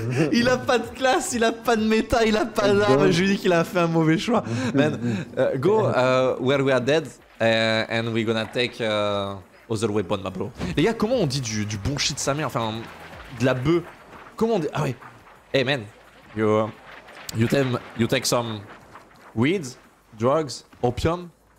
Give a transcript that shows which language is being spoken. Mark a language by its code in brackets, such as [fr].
[fr] Il a pas de classe, il a pas de méta, il a pas d'armes. Je lui dis qu'il a fait un mauvais choix. [en] Man, go where we are dead and we're gonna take other weapon, ma bro. [fr] Les gars, comment on dit du bon shit de sa mère, enfin de la beuh. Comment on dit? Ah ouais. [en] Hey man, you take some weed, drugs, opium.